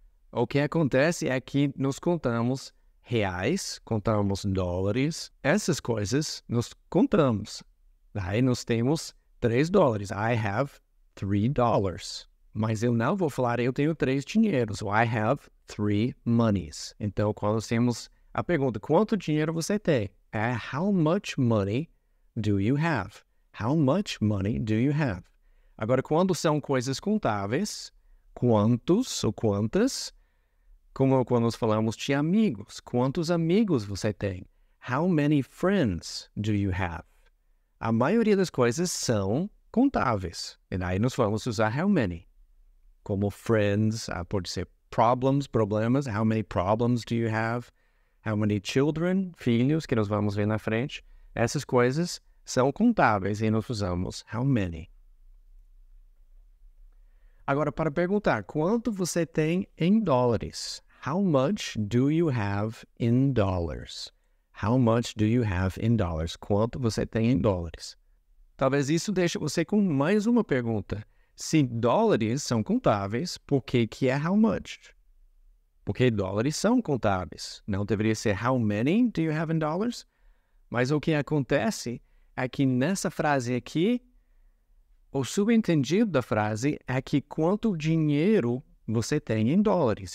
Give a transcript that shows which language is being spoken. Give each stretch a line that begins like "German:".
Portuguese: O que acontece é que nós contamos reais, contamos dólares, essas coisas nós contamos. Aí nós temos $3.
English: I have $3.
Portuguese: Mas eu não vou falar eu tenho três dinheiros.
English: So I have three monies.
Portuguese: Então, quando nós temos a pergunta, quanto dinheiro você tem?
English: É how much money do you have? How much money do you have?
Portuguese: Agora, quando são coisas contáveis, quantos ou quantas, como quando nós falamos de amigos, quantos amigos você tem?
English: How many friends do you have?
Portuguese: A maioria das coisas são contáveis. E aí nós vamos usar
English: how many.
Portuguese: Como friends, pode ser problems, problemas.
English: How many problems do you have? How many children,
Portuguese: filhos, que nós vamos ver na frente. Essas coisas são contáveis e nós usamos
English: how many.
Portuguese: Agora, para perguntar, quanto você tem em dólares?
English: How much do you have in dollars? How much do you have in dollars?
Portuguese: Quanto você tem em dólares? Talvez isso deixe você com mais uma pergunta. Se dólares são contáveis, por que que é
English: how much?
Portuguese: Porque dólares são contáveis. Não deveria ser
English: how many do you have in dollars?
Portuguese: Mas o que acontece é que nessa frase aqui, o subentendido da frase é que quanto dinheiro você tem em dólares.